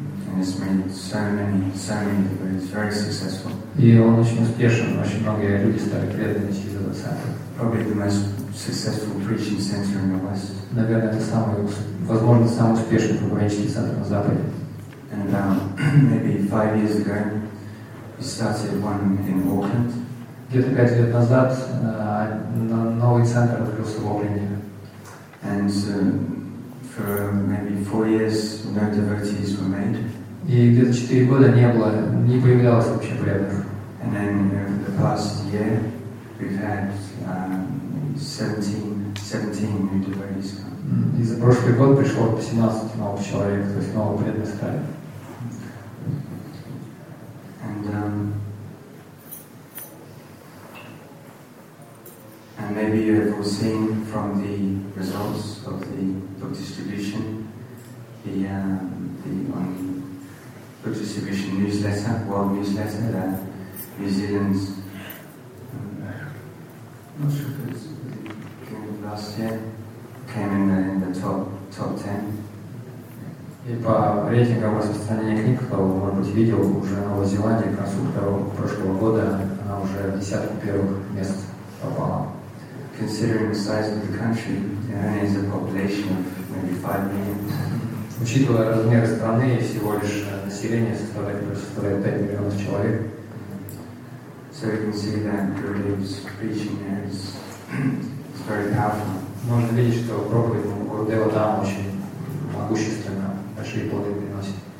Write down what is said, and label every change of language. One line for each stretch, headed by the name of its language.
English: And it's made so many degrees, very successful.
Russian: И он очень успешен, очень многие люди стали преданными через этот центр.
English: Probably the most successful preaching center in the West.
Russian: Наверное, это самый, возможно, самый успешный проповеднический центр на Западе.
English: And about maybe 5 years ago, we started one in Auckland.
Russian: Где-то 5 лет назад новый центр открылся в Окленде.
English: And for maybe 4 years, no devotees were made.
Russian: И где-то 4 года не было, не появлялось вообще преданных.
English: And then the past year, we've had 17 new devotees come.
Russian: И за прошлый год пришло 17 новых человек, то есть новые преданные стали.
English: And maybe you have seen from the results of the book distribution, book distribution newsletter, world newsletter, that New Zealand's, not sure if it's the end of last year, came in the top 10.
Russian: И по рейтингам распространения книг, кто, может быть, видел, уже Новая Зеландия, к концу прошлого года, она уже в десятку первых мест попала.
English: Considering the size of the country, it only has a population of maybe 5 million.
Russian: Учитывая размер страны, всего лишь население составляет 5 миллионов человек.
English: So you can see that Gurudev's preaching there is very powerful.
Russian: Можно видеть, что проповедь Гурудева там очень могущественна. Большие плоды приносит.